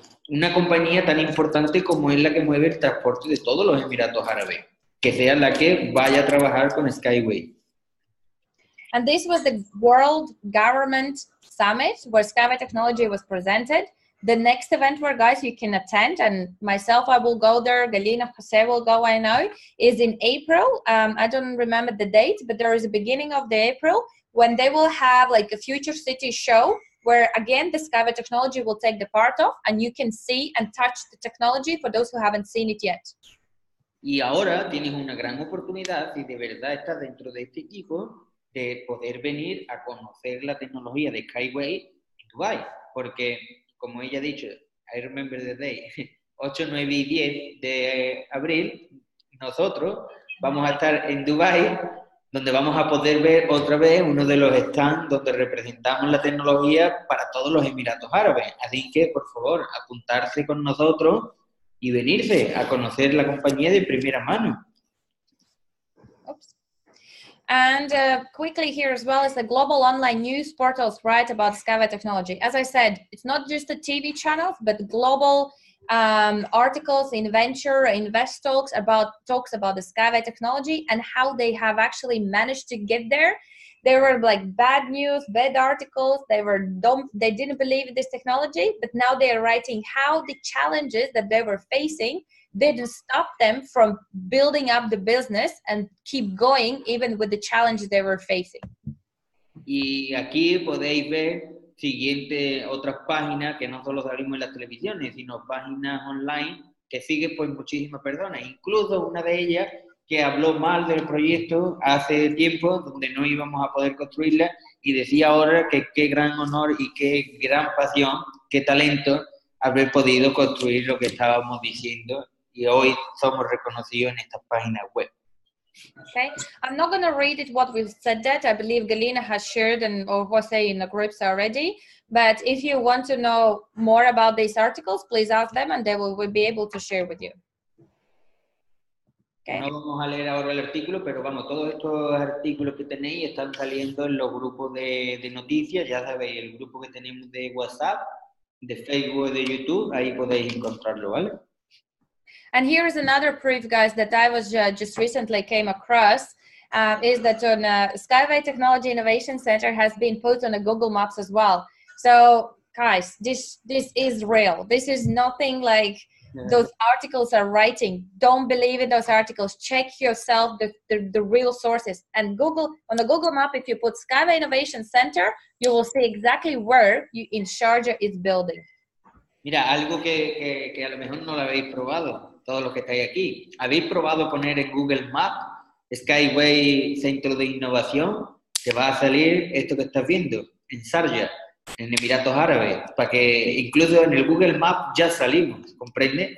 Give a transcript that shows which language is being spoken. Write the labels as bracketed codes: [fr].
[es] Una compañía tan importante como es la que mueve el transporte de todos los Emiratos Árabes, que sea la que vaya a trabajar con SkyWay. [en] And this was the World Government Summit where SkyWay Technology was presented. The next event where guys you can attend, and myself, I will go there, Galina, Jose will go, I know, is in April. I don't remember the date, but there is a beginning of the April when they will have like a future city show where again the SkyWay Technology will take the part of, and you can see and touch the technology for those who haven't seen it yet. [es] Y ahora tienes una gran oportunidad, si de verdad estás dentro de este equipo, de poder venir a conocer la tecnología de SkyWay en Dubai, porque como ella ha dicho, [en] I remember the day, [es] 8, 9 y 10 de abril, nosotros vamos a estar en Dubai, donde vamos a poder ver otra vez uno de los stands donde representamos la tecnología para todos los Emiratos Árabes. Así que, por favor, apuntarse con nosotros y venirse a conocer la compañía de primera mano. [en] And quickly here as well is the global online news portals, right, about SkyWay technology. As I said, it's not just the TV channels, but global articles in venture, invest talks about the SkyWay technology and how they have actually managed to get there. There were like bad news, bad articles. They were dumb. They didn't believe in this technology, but now they are writing how the challenges that they were facing didn't stop them from building up the business and keep going even with the challenges they were facing. [es] Y aquí podéis ver siguiente otras páginas que no solo salimos en las televisiones, sino páginas online que siguen por muchísimas personas. Incluso una de ellas que habló mal del proyecto hace tiempo, donde no íbamos a poder construirla, y decía ahora que qué gran honor y qué gran pasión, qué talento haber podido construir lo que estábamos diciendo. Y hoy somos reconocidos en esta página web. [en] Okay, I'm not going to read it what we said that. I believe Galina has shared and or was in the groups already. But if you want to know more about these articles, please ask them and they will be able to share with you. Okay. [es] No vamos a leer ahora el artículo, pero vamos, todos estos artículos que tenéis están saliendo en los grupos de noticias. Ya sabéis, el grupo que tenemos de WhatsApp, de Facebook, de YouTube, ahí podéis encontrarlo, ¿vale? [en] And here is another proof, guys, that I was just recently came across, is that on SkyWay Technology Innovation Center has been put on a Google Maps as well. So, guys, this is real. This is nothing like those articles are writing. Don't believe in those articles. Check yourself the real sources. And Google on the Google Map, if you put SkyWay Innovation Center, you will see exactly where you, in Sharjah is building. [es] Mira, algo que a lo mejor no lo habéis probado, todos los que estáis aquí. ¿Habéis probado poner en Google Maps SkyWay Centro de Innovación? Te va a salir esto que estás viendo, en Sharjah, en Emiratos Árabes, para que incluso en el Google Maps ya salimos, ¿comprende?